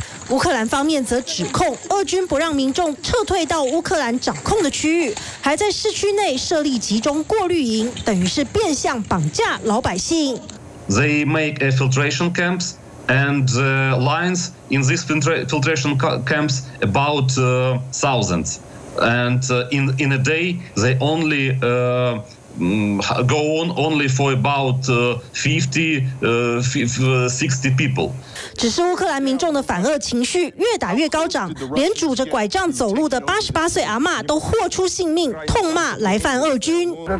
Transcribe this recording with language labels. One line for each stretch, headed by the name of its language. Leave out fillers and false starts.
Chinese: 乌克兰方面则指控俄军不让民众撤退到乌克兰掌控的区域，还在市区内设立集中过滤营，等于是变相绑架老百姓。
English: They make filtration camps and lines in these filtration camps about thousands, and in a day they only go on only for about 50-60 people.
Chinese: 只是乌克兰民众的反俄情绪越打越高涨，连拄着拐杖走路的88岁阿嬷都豁出性命痛骂来犯俄军。